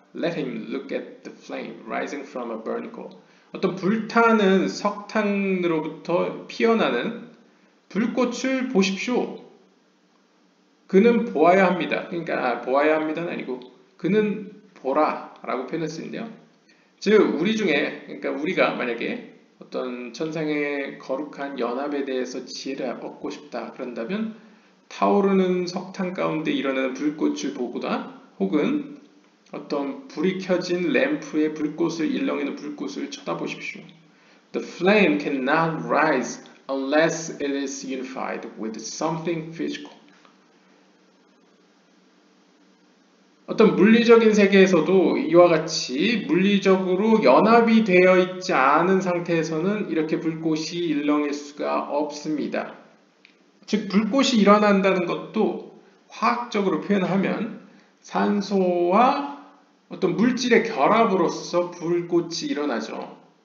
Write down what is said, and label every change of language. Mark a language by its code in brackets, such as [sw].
[en] Let him look at the flame rising from a burning coal. [ko] 어떤 불타는 석탄으로부터 피어나는 불꽃을 보십시오. 그는 보아야 합니다. 그러니까 보아야 합니다는 아니고 그는 보라 라고 표현했는데요. 즉 우리 중에 그러니까 우리가 만약에 어떤 천상의 거룩한 연합에 대해서 지혜를 얻고 싶다 그런다면 타오르는 석탄 가운데 일어나는 불꽃을 보거나 혹은 어떤 불이 켜진 램프의 불꽃을 일렁이는 불꽃을 쳐다보십시오. [en] The flame cannot rise unless it is unified with something physical. [ko] 어떤 물리적인 세계에서도 이와 같이 물리적으로 연합이 되어 있지 않은 상태에서는 이렇게 불꽃이 일렁일 수가 없습니다. 즉 불꽃이 일어난다는 것도 화학적으로 표현하면 산소와 어떤 물질의 결합으로서 불꽃이 일어나죠.